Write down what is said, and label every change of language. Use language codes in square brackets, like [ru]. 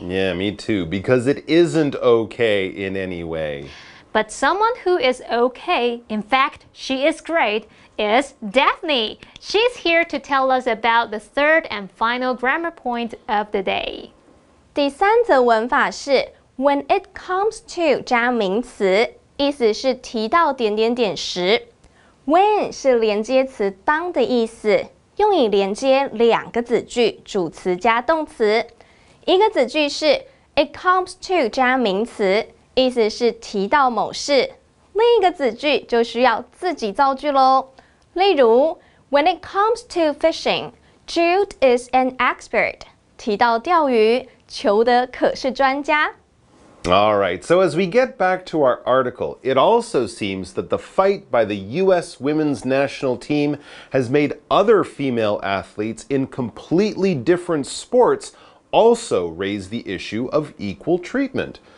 [en] Yeah, me too, because it isn't okay in any way. But someone who is okay, in fact, she is great, is Daphne. She's here to tell us about the third and final grammar point of the day. [zh] 第三则文法是 when it comes to 加名词。意思是提到点点点时 ，when 是连接词当的意思，用以连接两个子句，主词加动词。一个子句是 it comes to 加名词，意思是提到某事。另一个子句就需要自己造句咯。 [en] 例如 ，When it comes to fishing, Jude is an expert. [zh] 提到钓鱼，裘德可是专家。 [en] All right, so as we get back to our article, it also seems that the fight by the U.S. women's national team has made other female athletes in completely different sports also raise the issue of equal treatment.